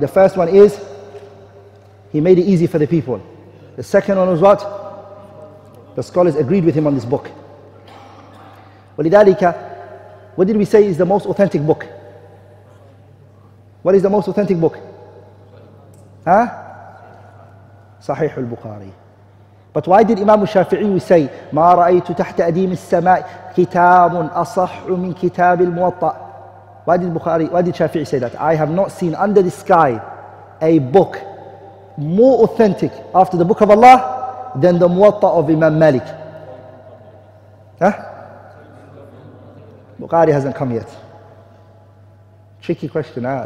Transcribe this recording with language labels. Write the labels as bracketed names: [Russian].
[English] The first one is, he made it easy for the people. The second one was what? The scholars agreed with him on this book. ولذلك, what did we say is the most authentic book? What is the most authentic book? Huh? صحيح البخاري. But why did Imam Shafi'i say, [Arabic] مَا رَأَيْتُ تَحْتَ أَدِيمِ السَّمَاءِ كِتَابٌ أَصَحُ مِنْ كِتَابِ الْمُوَطَّىِ. [English] Why did Bukhari, why did Shafi'i say that? I have not seen under the sky a book more authentic after the book of Allah than the Muwatta of Imam Malik. Huh? Bukhari hasn't come yet. Tricky question, huh?